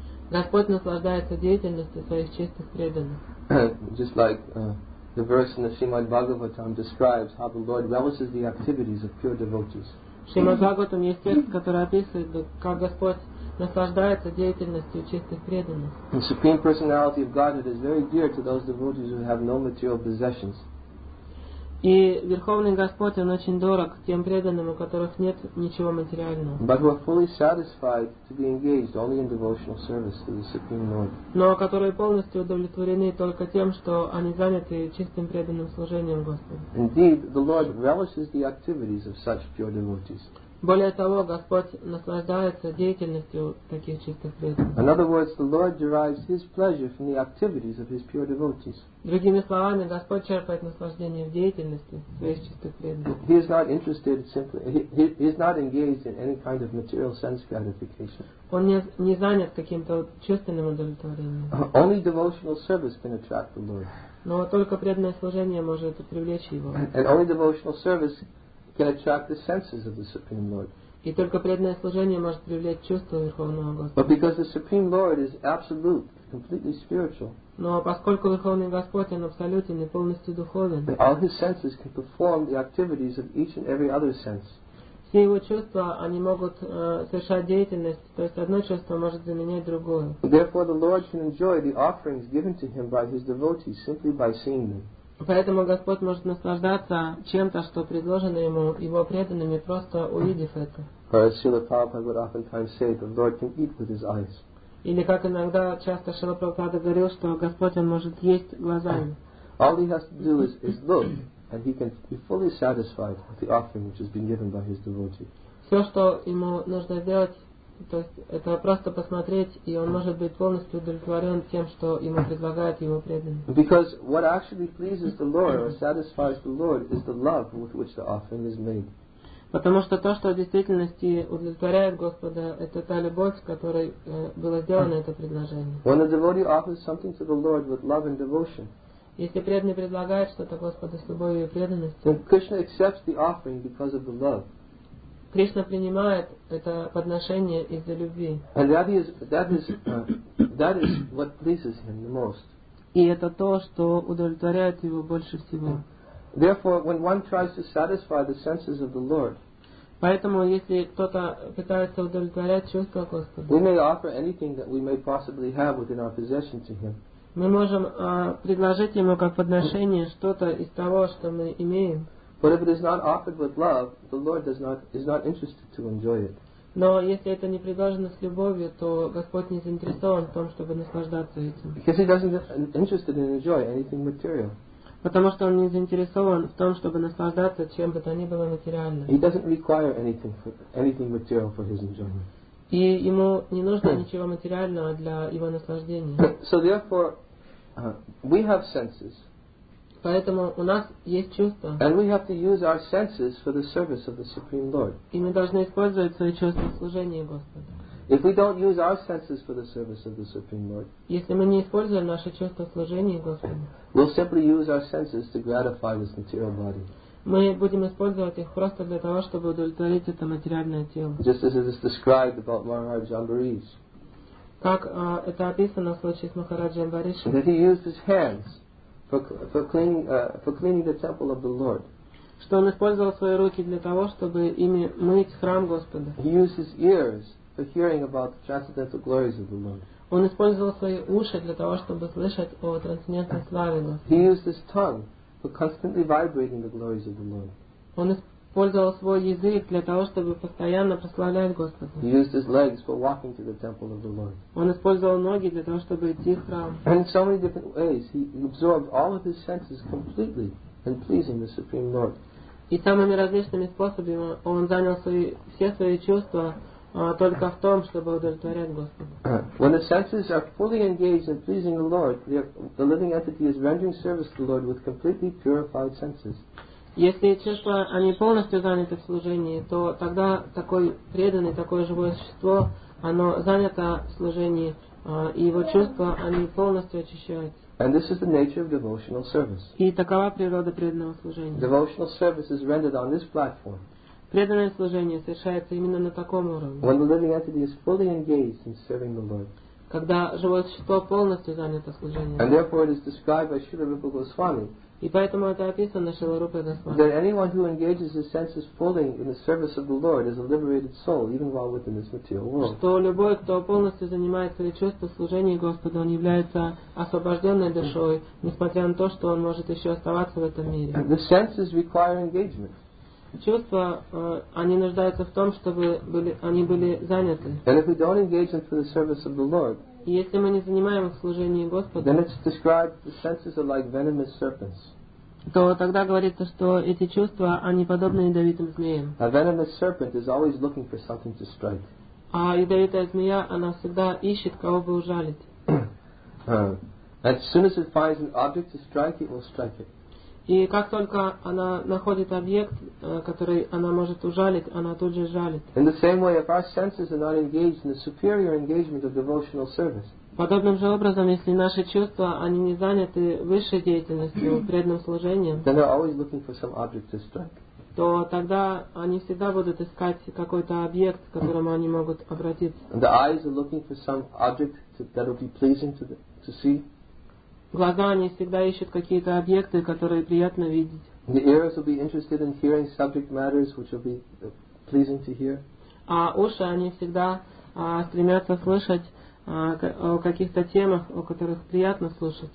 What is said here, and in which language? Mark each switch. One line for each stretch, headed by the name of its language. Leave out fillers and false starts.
Russian: Господь наслаждается деятельностью своих чистых преданных.
English: Just like the verse in the Srimad Bhagavatam describes how the Lord relishes the activities of pure devotees.
Russian: В Шримад Бхагаватам есть текст, который описывает, как Господь наслаждается деятельностью чистых преданных.
English: The Supreme Personality of Godhead is very dear to those devotees who have no material possessions.
Russian: И Верховный Господь, он очень дорог тем преданным, у которых нет ничего материального.
English: But who are fully satisfied to be engaged only in devotional service to the Supreme Lord.
Russian: Но которые полностью удовлетворены только тем, что они заняты чистым преданным служением Господу.
English: Indeed, the Lord relishes the activities of such pure devotees.
Russian: Более того, Господь наслаждается деятельностью таких чистых преданных.
English: In other words, the Lord derives his pleasure from the activities of his pure devotees.
Russian: Другими словами, Господь черпает наслаждение в деятельности своих чистых преданных.
English: He is not interested simply. He is not engaged in any kind of material sense gratification.
Russian: Он не занят каким-то чувственным удовлетворением.
English: Only devotional service can attract the Lord.
Russian: Но только преданное служение может привлечь его.
English: And only devotional service can attract the senses of the Supreme Lord.
Russian: И только преданное служение может привлечь чувства Верховного Господа.
English: But because the Supreme Lord is absolute, completely spiritual,
Russian: но поскольку Верховный Господь, он абсолютен и полностью духовен,
English: all his senses can perform the activities of each and every other sense.
Russian: Все его чувства, они могут совершать деятельность, то есть одно чувство может заменять другое.
English: Therefore, the Lord can enjoy the offerings given to him by his devotees simply by seeing them.
Russian: Поэтому Господь может наслаждаться чем-то, что предложено ему его преданными, просто увидев это.
English: Parasila Prabhupada would oftentimes say, the Lord can eat with his eyes.
Russian: Или как иногда часто Шрила Прабхупада говорил, что Господь, он может есть глазами.
English: All he has to do is look, and he can be fully satisfied with the offering which has been given by his devotee.
Russian: Все, что ему нужно сделать, то есть это просто посмотреть, и он может быть полностью удовлетворен тем, что ему предлагает его преданный.
English: Because what actually pleases the Lord or satisfies the Lord is the love with which the offering is made.
Russian: Потому что то, что в действительности удовлетворяет Господа, это та любовь, которой было сделано это предложение.
English: When a devotee offers something to the Lord with love and devotion,
Russian: если преданный предлагает что-то Господу с любовью и преданностью,
English: then Krishna accepts the offering because of the love.
Russian: Кришна принимает это подношение из-за любви.
English: And that is what pleases him the most.
Russian: И это то, что удовлетворяет его больше всего.
English: Therefore, when one tries to satisfy the senses of the Lord,
Russian: поэтому, если кто-то пытается удовлетворять чувства Господа,
English: we may offer anything that we may possibly have within our possession to him.
Russian: Мы можем предложить ему как подношение что-то из того, что мы имеем.
English: But if it is not offered with love, the Lord is not interested to enjoy it.
Russian: Но если это не предложено с любовью, то Господь не заинтересован в том, чтобы наслаждаться этим.
English: Because he doesn't interested in enjoy anything material.
Russian: Потому что он не заинтересован в том, чтобы наслаждаться чем бы то ни было материально.
English: He doesn't require anything material for his enjoyment.
Russian: И ему не нужно ничего материального для его наслаждения.
English: So therefore, we have senses.
Russian: Поэтому у нас есть чувства.
English: And we have to use our senses for the service of the Supreme Lord.
Russian: И мы должны использовать свои чувства в служении Господу.
English: If we don't use our senses for the service of the Supreme Lord,
Russian: если мы не используем наши чувства в служении Господу,
English: we'll simply use our senses to gratify this material body.
Russian: Мы будем использовать их просто для того, чтобы удовлетворить это материальное тело.
English: Just as it is described about Maharaj Ambarish.
Russian: Как это описано в случае с Махараджей Амбаришем.
English: That he used his hands for cleaning the temple of the Lord.
Russian: Что он использовал свои руки для того, чтобы ими мыть храм Господа.
English: He used his ears for hearing about the transcendental glories of the Lord.
Russian: Он использовал свои уши для того, чтобы слышать о трансцендентной славе Господа.
English: He used his tongue for constantly vibrating the glories of the Lord.
Russian: Он использовал свой язык для того, чтобы постоянно прославлять Господа.
English: He used his legs for walking to the temple of the Lord.
Russian: Он использовал ноги для того, чтобы идти в храм.
English: And in so many different ways, he absorbed all of his senses completely in pleasing the Supreme Lord.
Russian: И самыми различными способами он занял все свои чувства только в том, чтобы удовлетворять Господа.
English: When the senses are fully engaged in pleasing the Lord, the living entity is rendering service to the Lord with completely purified senses.
Russian: Если чувства они полностью заняты в служении, то тогда такой преданный, такое живое существо, оно занято в служении, и его чувства они полностью очищаются.
English: And this is the nature of devotional service.
Russian: И такова природа преданного служения.
English: Devotional service is rendered on this platform.
Russian: Преданное служение совершается именно на таком уровне.
English: When the living entity is fully engaged in serving the Lord.
Russian: Когда живое существо полностью занято служением.
English: And therefore it is described by Śrīla Rūpa Gosvāmī.
Russian: И поэтому это описано Śrīla Rūpa Gosvāmī.
English: That anyone who engages his senses fully in the service of the Lord is a liberated soul, even while within this material world.
Russian: Что любой, кто полностью занимает свои чувства в служении Господу, он является освобожденной душой, несмотря на то, что он может еще оставаться в этом мире.
English: The senses require engagement.
Russian: Чувства, они нуждаются в том, чтобы они были заняты.
English: And if we don't engage them for the service of the Lord,
Russian: и если мы не занимаем их в служении Господа,
English: then it's described the senses are like venomous serpents.
Russian: То тогда говорится, что эти чувства, они подобны ядовитым змеям.
English: A venomous serpent is always looking for something to strike.
Russian: А ядовитая змея, она всегда ищет, кого бы ужалить.
English: As soon as it finds an object to strike, it will strike it.
Russian: И как только она находит объект, который она может ужалить, она тут же жалит.
English: In the same way, if our senses are not engaged in the superior engagement of devotional service.
Russian: Подобным же образом, если наши чувства, они не заняты высшей деятельностью, преданным служением,
English: then they're always looking for some object to strike.
Russian: То тогда они всегда будут искать какой-то объект, к которому они могут обратиться.
English: And the eyes are looking for some object that will be pleasing to see.
Russian: Глаза, они всегда ищут какие-то объекты, которые приятно видеть.
English: The ears will be interested in hearing subject matters which will be pleasing to hear.
Russian: А уши, они всегда стремятся слышать о каких-то темах, о которых приятно слушать.